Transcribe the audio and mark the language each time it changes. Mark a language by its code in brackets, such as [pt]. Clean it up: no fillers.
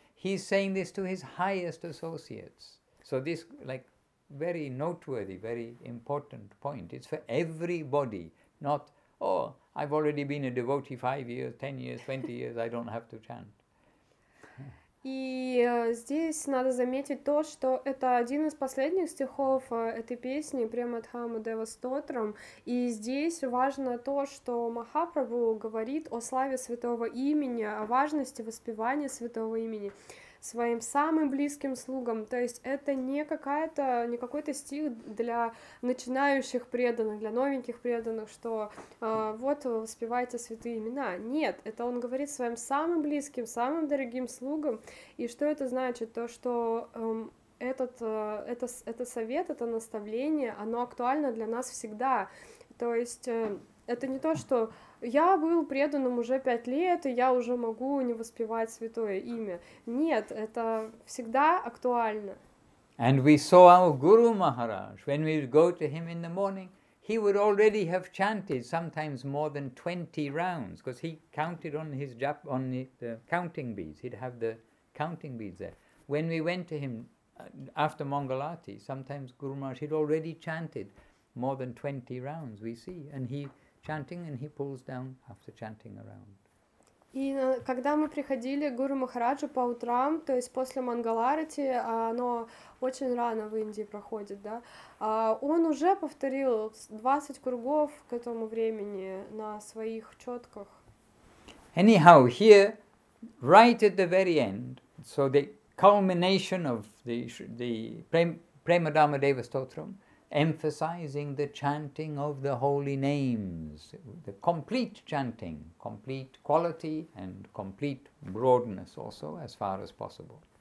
[en] He's saying this to his highest associates. So this, like, very noteworthy, very important point. It's for everybody, not, oh, I've already been a devotee 5 years, 10 years, 20 years, I don't have to chant. [ru] И здесь надо заметить то, что это один из последних стихов этой песни Премадхама Дева Стотрам. И здесь важно то, что Махапрабху говорит о славе святого имени, о важности воспевания святого имени своим самым близким слугам. То есть это не какой-то стих для начинающих преданных, для новеньких преданных, что вот воспевайте святые имена. Нет, это он говорит своим самым близким, самым дорогим слугам. И что это значит? То, что этот совет, это наставление, оно актуально для нас всегда. То есть это не то, что я был преданным уже 5 лет, и я уже могу не воспевать святое имя. Нет, это всегда актуально. [en] And we saw our Guru Maharaj, when we would go to him in the morning, he would already have chanted sometimes more than 20 rounds, because he counted on his the counting beads. He'd have the counting beads there. When we went to him after Mangalati, sometimes Guru Maharaj, he'd already chanted more than 20 rounds, we see. And he chanting, and he pulls down after chanting around. [ru] И когда мы приходили к Гуру Махараджу по утрам, то есть после Мангаларати, оно очень рано в Индии проходит, да, он уже повторил 20 кругов к этому времени на своих четках. [en] Anyhow, here, right at the very end, so the culmination of the Premadama Deva Stotram, emphasizing the chanting of the holy names, the complete chanting, complete quality and complete broadness also, as far as possible.